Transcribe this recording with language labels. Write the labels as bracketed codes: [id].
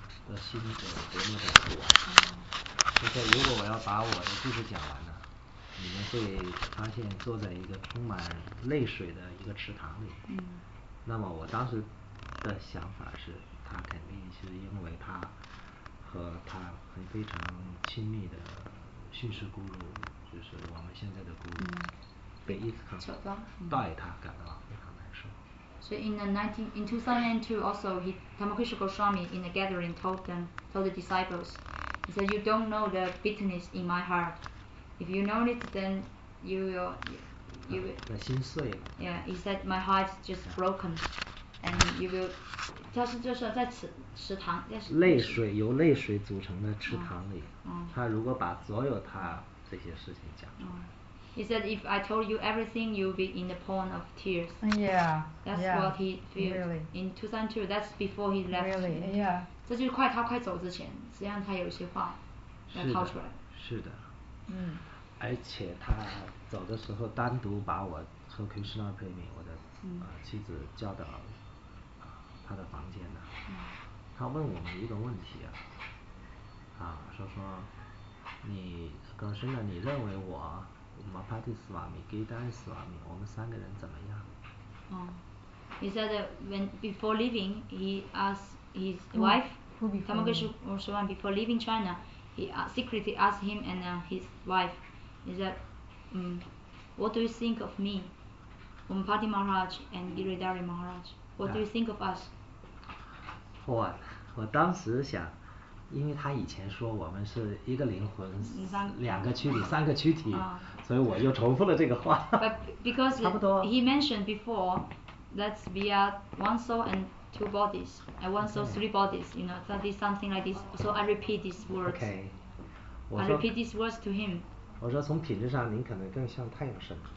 [zh] 的心得多么的苦啊，就是如果我要把我的故事讲完了，你们会发现坐在一个充满泪水的一个池塘里，那么我当时的想法是。他肯定是因为他和他很非常亲密的训师咕噜，就是我们现在的咕噜，被伊斯康带他感到非常难受。 [en] So in 2002 also, he Tamakrishna Goswami in the gathering told the disciples, he said, "You don't know the bitterness in my heart. If you know it, then you will you will." [zh] 那心碎了。 [en] Yeah, he said, "My heart is just broken, and you will." [zh] 他是就是在池塘，泪水由泪水组成的池塘里，他如果把所有他这些事情讲 [en] ，He said if I told you everything, you'll be in the pond of tears. Yeah, that's what he feels. In 2002, that's before he left. Really, yeah. [zh] 这就是快他快走之前，实际上他有一些话要掏出来。是的。嗯。而且他走的时候，单独把我和 Krishna Premi 我的妻子叫到。他的房间呢，他问我们一个问题啊，说你可是呢，你认为我马帕蒂斯瓦米、吉丹斯瓦米，我们三个人怎么样？ [en] He said when before leaving, he asked his wife, Tamakrishna before leaving China, he secretly asked him and his wife, he said, what do you think of me, Umpati Maharaj and Giridhari Maharaj? What do you think of us? [zh] 我当时想，因为他以前说我们是一个灵魂，两个躯体，三个躯体，所以我又重复了这个话。 [en] But because [zh] 差不多 [en] he mentioned before that we are one soul and two bodies, and one soul three bodies, you know, that is something like this. So I repeat these words. Okay. I repeat these words to him. [zh] 我说从品质上，您可能更像太阳神。